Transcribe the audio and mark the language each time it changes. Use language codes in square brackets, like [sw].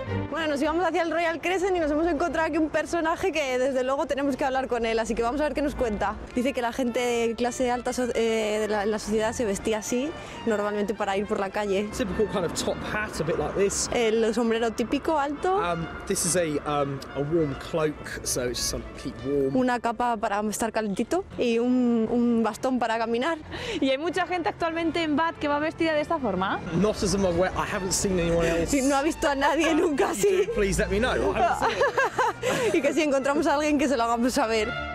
[es] Bueno, nos íbamos hacia el Royal Crescent y nos hemos encontrado aquí un personaje que desde luego tenemos que hablar con él, así que vamos a ver qué nos cuenta. Dice que la gente de clase alta de la sociedad se vestía así normalmente para ir por la calle. [en] Typical kind of top hat, a bit like this. [es] El sombrero típico alto. [en] This is a warm cloak, so it's just something to keep warm. [es] Una capa para estar calentito y un bastón para caminar. ¿Y hay mucha gente actualmente en Bath que va vestida de esta forma? [en] Not as I'm aware. I haven't seen anyone else. [es] No ha visto a nadie nunca. [en] Please let me know. [es] Y que si encontramos a alguien que se lo hagamos saber.